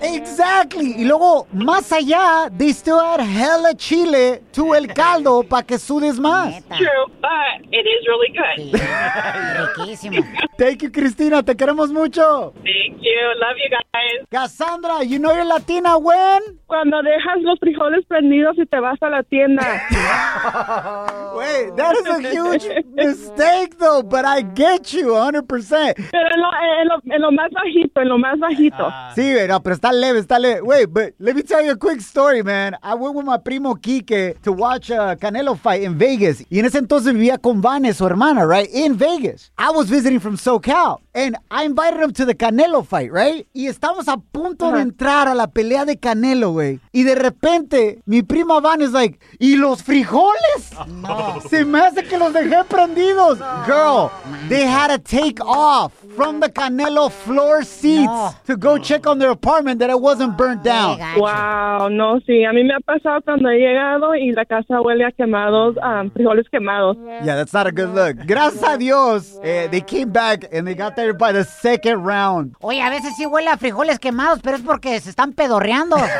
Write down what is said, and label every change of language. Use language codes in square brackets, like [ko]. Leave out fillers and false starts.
[en] Exactly. [es] Y luego, más allá, [en] they still add hella chile to [es] el caldo para que sudes más. [en] True, but it is really good. [es] Sí, riquísimo. [en] Thank you, Cristina. [es] Te queremos mucho. [en] Thank you. Love you, guys. Cassandra, you know you're Latina when? [es] Cuando dejas los frijoles prendidos y te vas a la tienda. [en] Wait, that is a huge mistake, though, but I get you 100%. [es] Pero en lo más bajito, en lo más bajito. Sí, pero está leve. [en] Wait, but let me tell you a quick story, man. I went with my primo Kike to watch Canelo fight in Vegas. [es] Y en ese entonces vivía con Vane, su hermana, [en] right? In Vegas. I was visiting from SoCal. And I invited him to the Canelo fight, right? [es] Y estamos a punto de entrar a la pelea de Canelo, güey. Y de repente, mi prima Vane [en] is like, [es] ¿y los frijoles? No. Se me hace que los dejé prendidos. No. [en] Girl, they had to take off from the Canelo floor seats to go check on their apartment that it wasn't burnt down. [es] Wow, no, sí. A mí me ha pasado cuando he llegado y la casa huele a quemados, frijoles quemados. [en] Yeah, that's not a good look. [es] Gracias a Dios, [en] they came back and they got there by the second round. [es] Oye, a veces sí huele a frijoles quemados, pero es porque se están pedorreando.